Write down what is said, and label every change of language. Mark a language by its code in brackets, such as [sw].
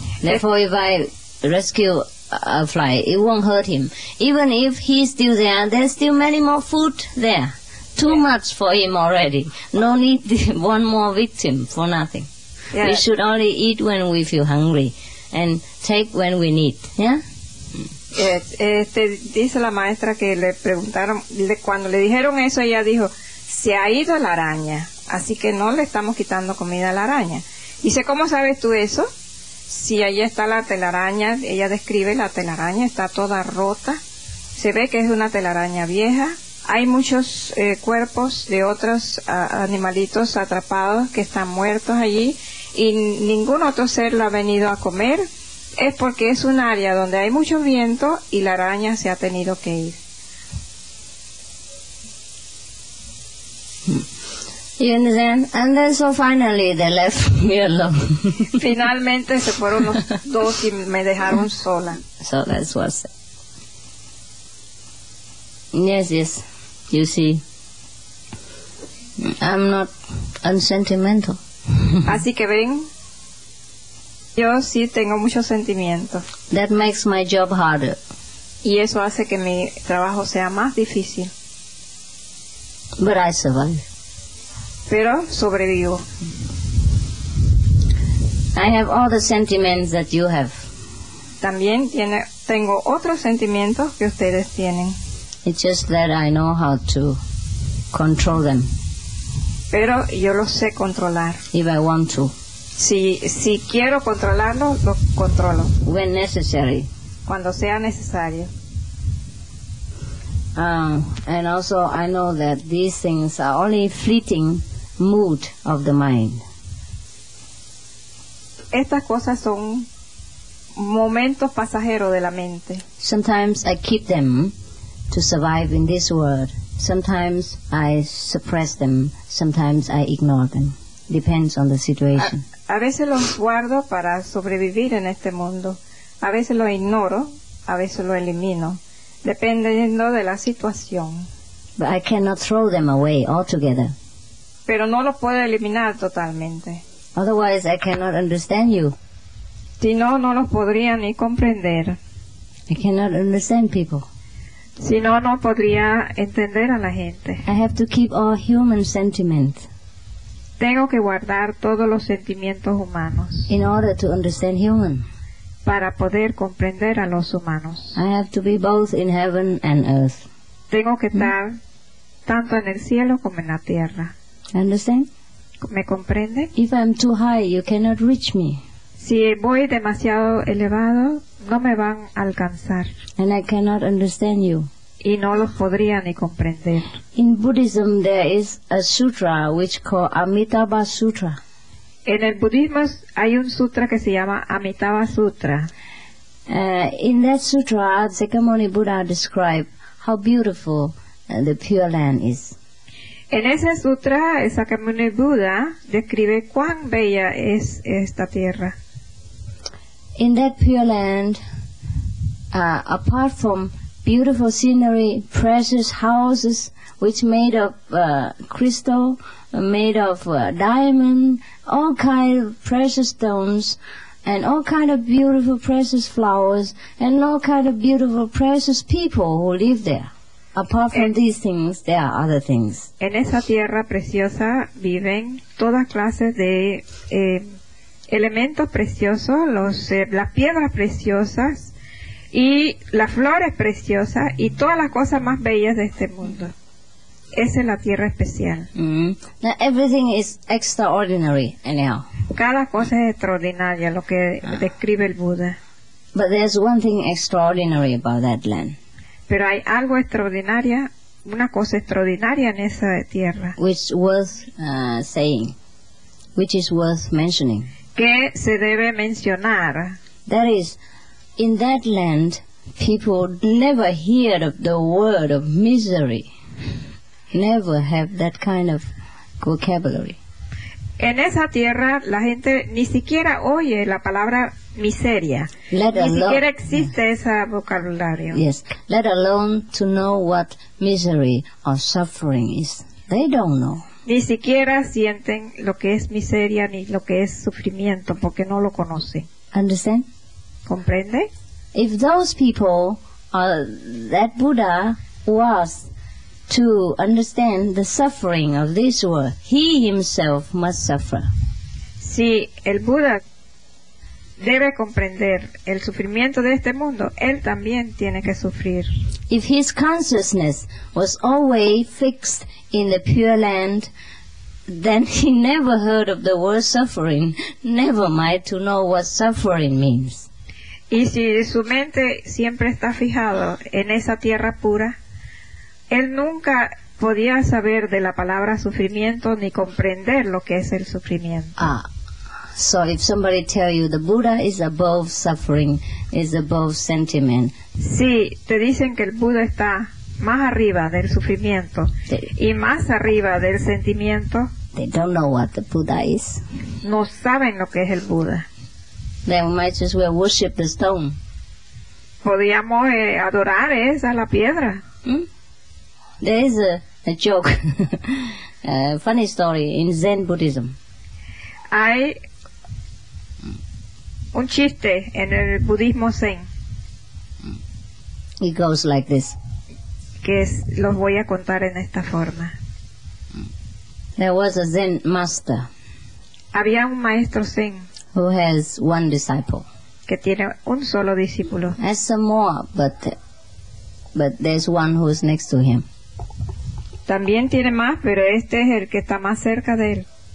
[en] Therefore, if I rescue a fly, it won't hurt him. Even if he's still there, there's still many more food there. Too much for him already. No need one more victim for nothing. Yeah. We should only eat when we feel hungry and take when we need. Yeah? [es] Dice la maestra que le preguntaron, cuando le dijeron eso, ella dijo, se ha ido la araña, así que no le estamos quitando comida a la araña. Dice, ¿cómo sabes tú eso? Si ahí está la telaraña, ella describe la telaraña, está toda rota. Se ve que es una telaraña vieja. Hay muchos cuerpos de otros animalitos atrapados que están muertos allí. Y ningún otro ser lo ha venido a comer. Es porque es un área donde hay mucho viento y la araña se ha tenido que ir. [en] You understand? And then so finally they left me alone. [es] Finalmente se fueron los dos y me dejaron sola. [en] So that's what's... Yes, yes. You see, I'm not unsentimental. [es] Así que ven, yo sí tengo muchos sentimientos. [en] That makes my job harder. [es] Y eso hace que mi trabajo sea más difícil. [en] But I survive. [es] Pero sobrevivo. [en] I have all the sentiments that you have. [es] También tiene, tengo otros sentimientos que ustedes tienen. [en] It's just that I know how to control them. [es] Pero yo los sé controlar. [en] If I want to. [es] Si quiero controlarlos, los controlo. [en] When necessary. [es] Cuando sea necesario. [en] And also I know that these things are only fleeting mood of the mind. [es] Estas cosas son momentos pasajeros de la mente. [en] Sometimes I keep them to survive in this world. Sometimes I suppress them. Sometimes I ignore them. Depends on the situation. [es] A veces los guardo para sobrevivir en este mundo. A veces los ignoro. A veces los elimino. Dependiendo de la situación. [en] But I cannot throw them away altogether. [es] Pero no los puedo eliminar totalmente. [en] Otherwise, I cannot understand you. [es] Si no, no los podría ni comprender. [en] I cannot understand people. [es] Si no, no podría entender a la gente. [en] I have to keep all human sentiments. [es] Tengo que guardar todos los sentimientos humanos. [en] In order to understand human. [es] Para poder comprender a los humanos. [en] I have to be both in heaven and earth. [es] Tengo que estar tanto en el cielo como en la tierra. [en] Understand? [es] ¿Me comprende? [en] If I'm too high, you cannot reach me. [es] Si voy demasiado elevado, no me van a alcanzar. [en] And I cannot understand you. [es] Y no los podría ni comprender. [en] In Buddhism, there is a sutra which called Amitabha Sutra. [es] En el budismo hay un sutra que se llama Amitabha Sutra. [en] In that sutra, Sakyamuni Buddha described how beautiful the Pure Land is. [es] En ese sutra, Sakyamuni Buddha describe cuán bella es esta tierra. [en] In that pure land, apart from beautiful scenery, precious houses, which made of crystal, made of diamond, all kind of precious stones, and all kind of beautiful precious flowers, and all kind of beautiful precious people who live there. Apart from these things, there are other things. [es] En esa tierra preciosa viven todas clases de elementos preciosos, las piedras preciosas y las flores preciosas y todas las cosas más bellas de este mundo. Esa es la tierra especial. [en] Now everything is extraordinary, anyhow. [es] Cada cosa es extraordinaria, lo que describe el Buda. [en] But there's one thing extraordinary about that land. [es] Pero hay algo extraordinaria, una cosa extraordinaria en esa tierra. [en] Which worth saying, which is worth mentioning. [es] Que se debe mencionar. [en] That is, in that land, people never hear of the word of misery. Never have that kind of vocabulary. [es] En esa tierra, la gente ni siquiera oye la palabra miseria. Ni siquiera existe ese vocabulario. [en] Yes, let alone to know what misery or suffering is. They don't know. [es] Ni siquiera sienten lo que es miseria ni lo que es sufrimiento porque no lo conocen. [en] Understand? [es] ¿Comprende? [en] If those people, that Buddha was to understand the suffering of this world, he himself must suffer. [es] Si el Buda debe comprender el sufrimiento de este mundo, él también tiene que sufrir. [en] If his consciousness was always fixed in the pure land, then he never heard of the word suffering, never mind to know what suffering means. [es] Y si su mente siempre está fijado en esa tierra pura, él nunca podía saber de la palabra sufrimiento ni comprender lo que es el sufrimiento. [en] So if somebody tell you the Buddha is above suffering, is above sentiment. [es] Sí, te dicen que el Buda está más arriba del sufrimiento y más arriba del sentimiento. [en] They don't know what the Buddha is. [es] No saben lo que es el Buda. [en] They might as well worship the stone. [es] Podríamos adorar esa la piedra. [en] There is a joke, a funny story in Zen Buddhism. [es] Hay un chiste en el budismo Zen. [en] It goes like this. [es] Que es, los voy a contar en esta forma. [en] There was a Zen master. [es] Había un maestro Zen. [en] who has one disciple. [es] Que tiene un solo discípulo. [en] And some more, but there's one who is next to him. [es] También tiene más, pero este es el que está más cerca de él.